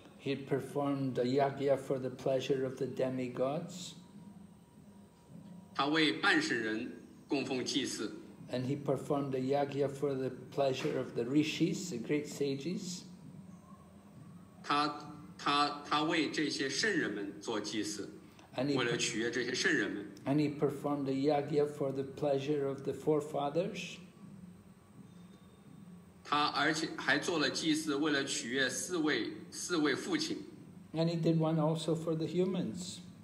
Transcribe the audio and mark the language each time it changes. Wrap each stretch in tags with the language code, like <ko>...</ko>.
<en>He had performed a yagya for the pleasure of the demigods.</en> <zh>他为半神人供奉祭祀.</zh> <en>And he performed a yagya for the pleasure of the rishis, the great sages.</en> <zh>他为这些圣人们做祭祀.</zh> <en>And he performed a yagya for the pleasure of the forefathers. And he did one also for the humans.</en>